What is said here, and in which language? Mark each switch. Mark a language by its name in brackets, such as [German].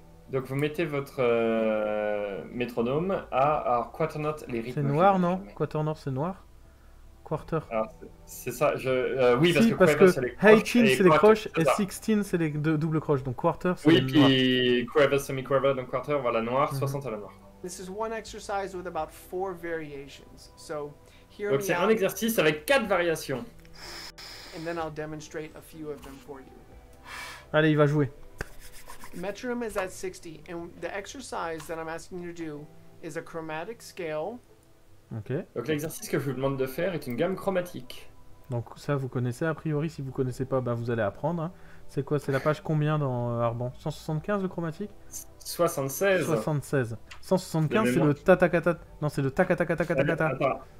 [French] Donc vous mettez votre métronome à alors, quarter note, les rythmes. C'est noir, non? Quarter note, c'est noir. Quarter. Ah, c'est ça. Je, oui, si, parce que, quoi, que 18 c'est quarter, les croches et 16 c'est les double croches. Donc quarter, c'est oui, le noir. Oui, puis quarter, semi-quarter, donc quarter, voilà, noir, 60 à la noire. [English] This is one exercise with about four variations. So, hear [French] donc [English] me [French] c'est [English] out. [French] Un exercice avec 4 variations. [English] And then I'll demonstrate a few of them for you. [French] Allez, il va jouer. [English] Metronome is at 60. And the exercise that I'm asking you to do is a chromatic scale. Okay. [French] Donc l'exercice que je vous demande de faire est une gamme chromatique. Donc ça vous connaissez a priori, si vous connaissez pas, ben vous allez apprendre. C'est quoi? C'est la page combien dans Arban? 175 le chromatique? 76. 76. 175 c'est le tatakata. Non c'est le tacatacatacatacata.